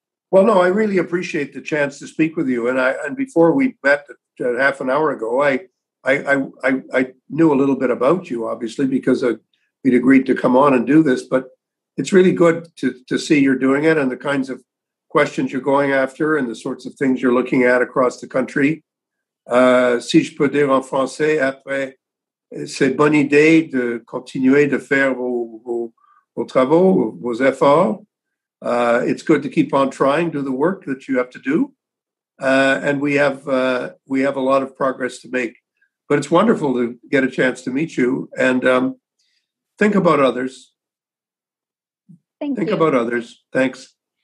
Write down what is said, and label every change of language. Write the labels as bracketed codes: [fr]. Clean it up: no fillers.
[en] Well, no, I really appreciate the chance to speak with you. And before we met half an hour ago, I knew a little bit about you, obviously, because we'd agreed to come on and do this. But it's really good to see you're doing it, and the kinds of questions you're going after and the sorts of things you're looking at across the country. [fr] Si je peux dire en français, après, c'est bonne idée de continuer de faire vos travaux, vos efforts. [en] It's good to keep on trying, do the work that you have to do. And we have a lot of progress to make. But it's wonderful to get a chance to meet you. And think about others. Thank you. About others. Thanks.